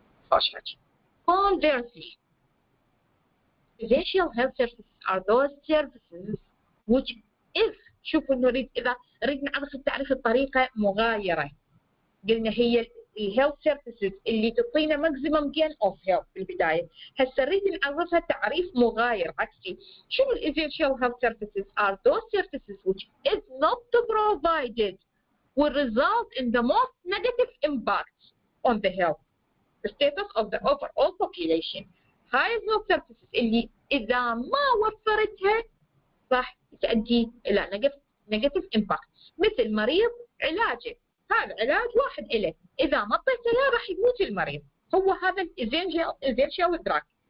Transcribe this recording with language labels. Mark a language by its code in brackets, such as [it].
[en] Conversely, essential health services are those services which if [ar] شوفوا نريد إذا ريد نعرف التعريف الطريقة مغايرة، قلنا هي ال health services اللي تعطينا [en] maximum gain of health [ar] في البداية، هسا ريد نعرفها تعريف مغاير عكسي. [en] شوفوا essential health services are those services which if not provided will result in the most negative impact on the health status of the overall population. [ar] هاي health services اللي إذا ما وفرتها راح تؤدي إلى negative impact. مثل مريض علاجه، هذا علاج واحد إله، إذا ما اعطيته إياه راح يموت المريض. هو هذا essential drug.